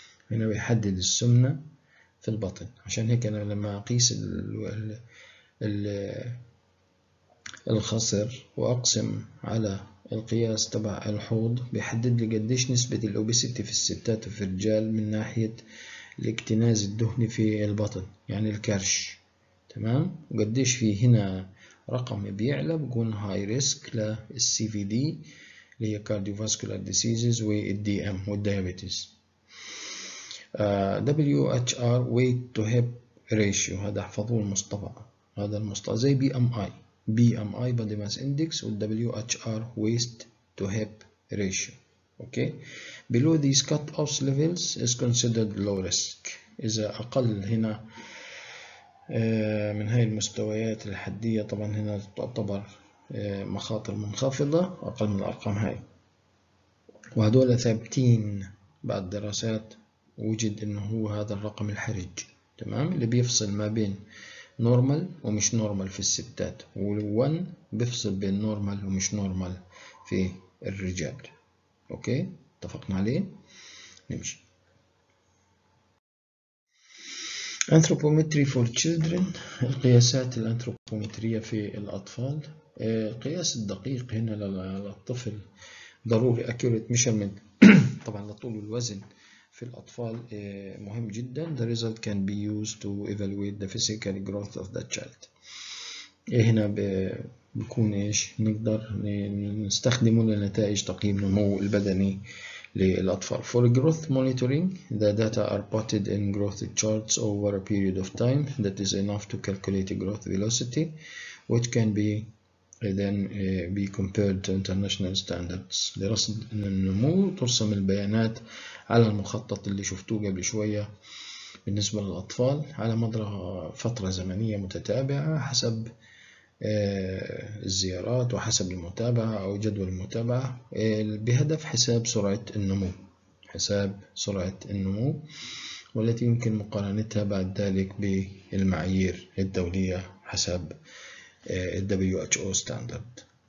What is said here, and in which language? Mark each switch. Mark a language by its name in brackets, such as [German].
[Arabic] هنا بيحدد السمنة في البطن، عشان هيك أنا لما أقيس ال الخصر وأقسم على القياس تبع الحوض بيحدد لي قديش نسبة الأوبيسيتي في الستات وفي الرجال من ناحية الاكتناز الدهني في البطن، يعني الكرش، تمام؟ وقديش في هنا رقم بيعلى بكون هاي ريسك للسي في دي اللي هي [English] cardiovascular diseases [Arabic] والدي ام والديابيتس. دبليو اتش ار ويت تو هيب ريشيو، هذا احفظوه المصطفى، هذا المصطفى زي بي ام اي، BMI body mass index وال WHR waist to hip ratio. [English] Okay. Below these cut-offs levels is considered low risk. [Arabic] إذا أقل هنا من هاي المستويات الحدية طبعا هنا تعتبر مخاطر منخفضة، أقل من الأرقام هاي، وهدول ثابتين بعد دراسات وجد إنه هو هذا الرقم الحرج، تمام، اللي بيفصل ما بين نورمال ومش نورمال في الستات، والون بيفصل بين نورمال ومش نورمال في الرجال. اوكي اتفقنا عليه، نمشي. [English] Anthropometry for children، [Arabic] القياسات الانثروبومترية في الاطفال. القياس الدقيق هنا للطفل ضروري، [English] accurate measurement [Arabic] طبعا لطول الوزن في الأطفال مهم جدا. [English] The result can be used to evaluate the physical growth of the child. [Arabic] هنا بكون إيش نقدر نستخدمه لنتائج تقييم النمو البدني للأطفال. [English] For growth monitoring, the data are plotted in growth charts over a period of time that is enough to calculate growth velocity, which can be then be compared to international standards. [Arabic] لرصد النمو ترسم البيانات على المخطط اللي شفتوه قبل شوية بالنسبة للأطفال على مدار فترة زمنية متتابعة حسب الزيارات وحسب المتابعة أو جدول المتابعة بهدف حساب سرعة النمو، حساب سرعة النمو والتي يمكن مقارنتها بعد ذلك بالمعايير الدولية حسب الـ WHO standard.